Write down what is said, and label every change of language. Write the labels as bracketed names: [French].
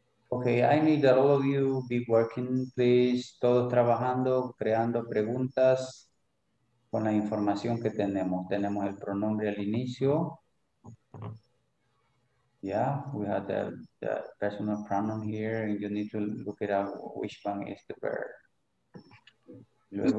[English] Okay, I need that all of you be working, please. [Spanish] Todos trabajando, creando preguntas con la información que tenemos. Tenemos el pronombre al inicio. [English] Yeah, we have the personal pronoun here, and you need to look it up which one is the verb.